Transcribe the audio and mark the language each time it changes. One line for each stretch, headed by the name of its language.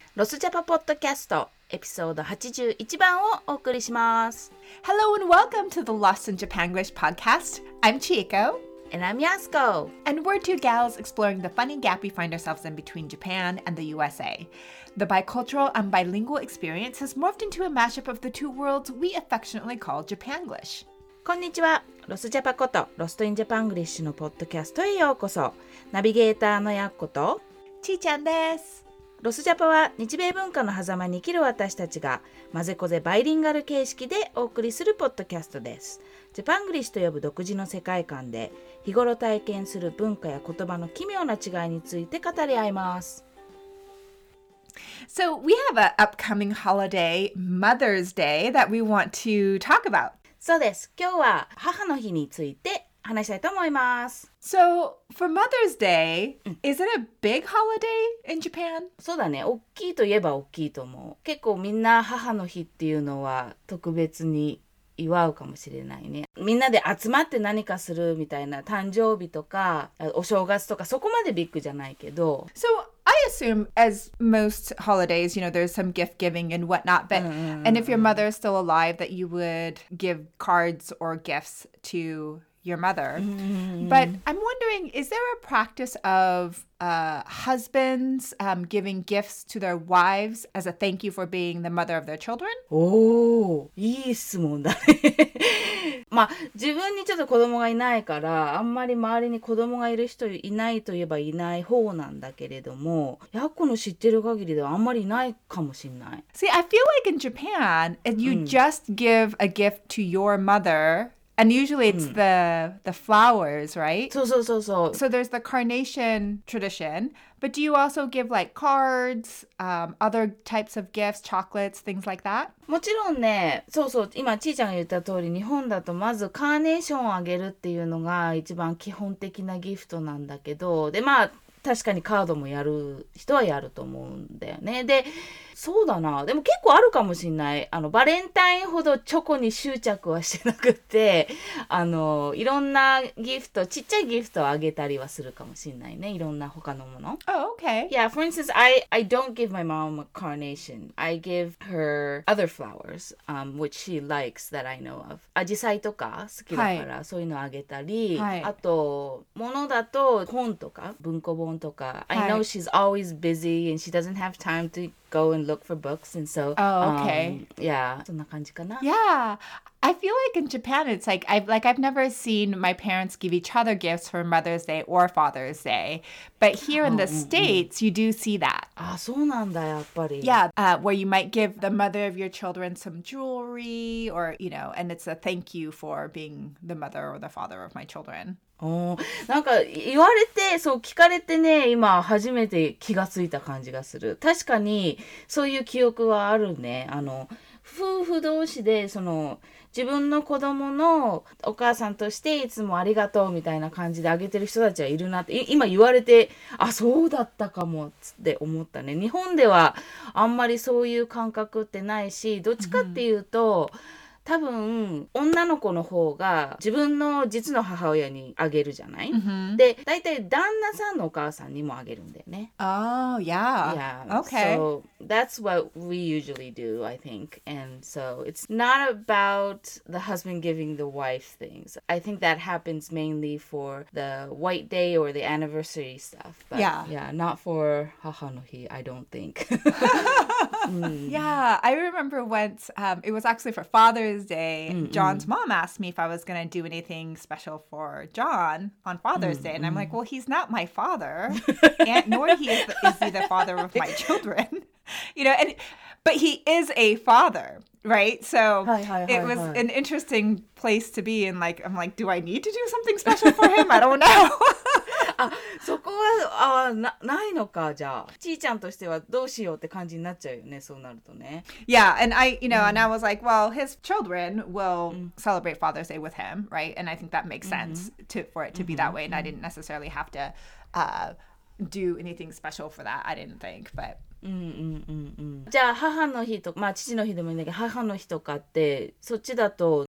Japanese: ロスジャパポッドキャストエピソード81番をお送りします。
English: Hello and welcome to the Lost in Japan English podcast. I'm Chieko. And I'm Yasuko. And we're two gals exploring the funny gap we find ourselves in between Japan and the USA. The bicultural and bilingual experience has morphed into a mashup of the two worlds we affectionately call Japanglish.
Japanese: こんにちは。ロスジャパこと、ロストインジャパングリッシュのポッドキャストへようこそ。ナビゲーターのやっこと、ちーちゃんです。ロスジャパは、日米文化の狭間に生きる私たちが、まぜこぜバイリンガル形式でお送りするポッドキャストです。ジャパングリッシュと呼ぶ独自の世界観で、日頃体験する文化や言葉の奇妙な違いについて語り合います。
English: So, we have an upcoming holiday, Mother's Day, that we want to talk about.
Japanese: そうです。今日は母の日について話したいと思います。
English: So, for Mother's Day, is it a big holiday in Japan?
Japanese: そうだね。大きいといえば大きいと思う。結構みんな母の日っていうのは特別に祝うかもしれないね。みんなで集まって何かするみたいな、誕生日とかお正月とか、そこまでビッグじゃないけど。
English: So,I assume, as most holidays, you know, there's some gift giving and whatnot, but, and if your mother is still alive, that you would give cards or gifts to your mother. But I'm wondering, is there a practice of husbands giving gifts to their wives as a thank you for being the mother of their children?
Japanese: Oh, いい質問だね。まあ、自分にちょっと子供がいないから、あんまり周りに子供がいる人いないといえばいない方なんだけれども、やっこの知ってる限りではあんまりいないかもしれない。
English: See, I feel like in Japan, if you just give a gift to your mother... And usually it's the flowers, right? So. So there's the carnation tradition. But do you also give like cards, other types of gifts, chocolates, things like that?
Japanese: もちろんね、そうそう、今ちーちゃんが言った通り、日本だとまずカーネーションをあげるっていうのが一番基本的なギフトなんだけど、でまあ、確かにカードもやる人はやると思うんだよね。で、そうだな。でも結構あるかもしれない。あの、バレンタインほどチョコに執着はしてなくて、あの、いろんなギフト、ちっちゃいギフトをあげたりはするかもしれないね。いろんな他のもの。
English: Oh, okay. Yeah, for instance, I don't give my mom a carnation. I give her other flowers, which she likes that I know of.
Japanese: アジサイとか好きだから、はい、そういうのあげたり、はい、あと、ものだと本とか、文庫本。
English: I know she's always busy and she doesn't have time to go and look for books and so. Oh, okay.
Japanese: Yeah. そんな感じかな?
English: Yeah. I feel like in Japan, it's like I've never seen my parents give each other gifts for Mother's Day or Father's Day. But here in the States, you do see that.
Japanese: Ah, そうなんだやっぱり.
English: Yeah, where you might give the mother of your children some jewelry or, you know, and it's a thank you for being the mother or the father of my children.
Japanese: なんか言われてそう聞かれてね今初めて気がついた感じがする確かにそういう記憶はあるねあの夫婦同士でその自分の子供のお母さんとしていつもありがとうみたいな感じであげてる人たちはいるなって今言われてあそうだったかもって思ったね日本ではあんまりそういう感覚ってないしどっちかっていうと、うん多分女の子の方が自分の実の母親にあげるじゃない、 mm-hmm. で大体旦那さんのお母さんにもあげるんだよね
English: Oh, yeah. Yeah. Okay. So that's what we usually do, I think. And so it's not about the husband giving the wife things. I think that happens mainly for the white day or the anniversary stuff. But yeah. Yeah, not for 母の日, I don't think. Yeah, I remember once, it was actually for Father's Day, John's mom asked me if I was going to do anything special for John on Father's Day. And I'm like, well, he's not my father, nor is he the father of my children. You know, but he is a father, right? So it was an interesting place to be. And like, I'm like, do I need to do something special for him? I don't know.
Japanese: あ、そこは、あ、ないのか、じゃあ。ちーちゃんとしてはどうしようって感じになっちゃうよね、そうなるとね。
English: Yeah, and I, you know, and I was like, well, his children will celebrate Father's Day with him, right? And I think that makes sense for it to be that way. And I didn't necessarily have to do anything special for that, I didn't think, but...
Japanese: じゃあ母の日とか、まあ父の日でもいいんだけど、母の日とかって、そっちだと